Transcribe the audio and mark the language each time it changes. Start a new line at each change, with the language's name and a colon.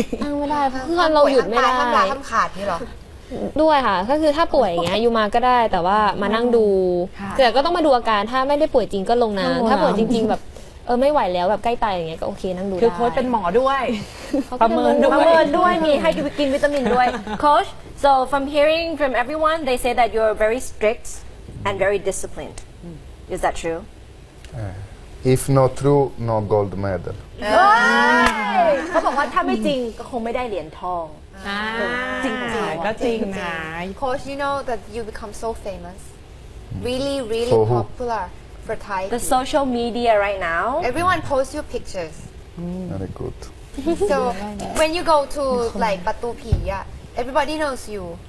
Thai: เพื่อนเราหยุดไม่ได้ ทำ ลาย ทำขาดนี่หรอ ด้วยค่ะก็คือถ้าป่วยอย่างเงี้ยยูมาก็ได้แต่ว่ามานั่งดูเกิดก็ต้องมาดูอาการถ้าไม่ได้ป่วยจริงก็ลงน้ำถ้าป่วยจริงๆแบบไม่ไหวแล้วแบบใกล้ตายอย่างเงี้ยก็โอเคนั่งดู คือโค้ชเป็นหมอด้วยประเมินด้วย มีให้กินวิตามินด้วยโค้ช
English: so from hearing from everyone they say that you're very strict and very disciplined is that true if not true no gold medal
Thai: เขาบอกว่าถ้าไม่จริงก็คงไม่ได้เหรียญทอง จริงค่ะ
English: Coach, you know that you become so famous, really, really popular for Thai. The social media right now, everyone posts your pictures. Very good. So when you go to like Batu Pia, everybody knows you.